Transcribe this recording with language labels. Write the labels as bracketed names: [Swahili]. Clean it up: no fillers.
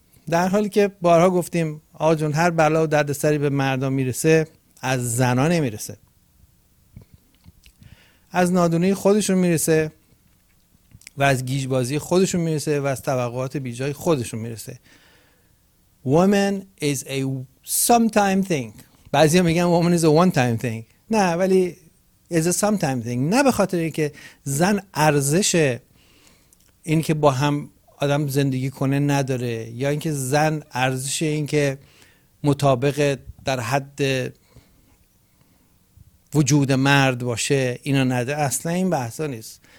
[Persian] در حالی که بارها گفتیم آقا جون هر بلا و دردسری به مردا میرسه از زنا نمیرسه، از نادونی خودشون میرسه و از گیجبازی خودشون میرسه و از توقعات بیجای خودشون میرسه. [English] Woman is a sometime thing. [Persian] بعضی ها میگن [English] woman is a one time thing. [Persian] نه ولی [English] is a sometime thing. [Persian] نه به خاطر اینکه زن ارزش این که با هم آدم زندگی کنه نداره، یا اینکه زن ارزش این که مطابق در حد وجود مرد باشه اینا نداره، اصلا این بحثا نیست.